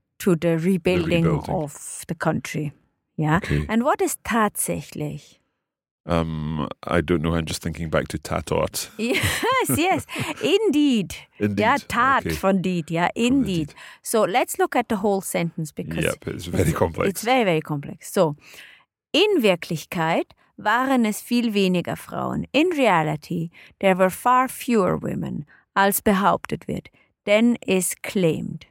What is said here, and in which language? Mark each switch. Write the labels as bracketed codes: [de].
[en] to the rebuilding of the country. Yeah? Okay. And what is tatsächlich? I don't know. I'm just thinking back to Tatort. Yes, yes. Indeed. Indeed. Yeah, Tat okay. von Diet. Yeah, indeed. So let's look at the whole sentence because... Yep, it's very complex. It's very, very complex. [de] So, in Wirklichkeit waren es viel weniger Frauen. [en] In reality, there were far fewer women, [de] als behauptet wird, [en] than is claimed.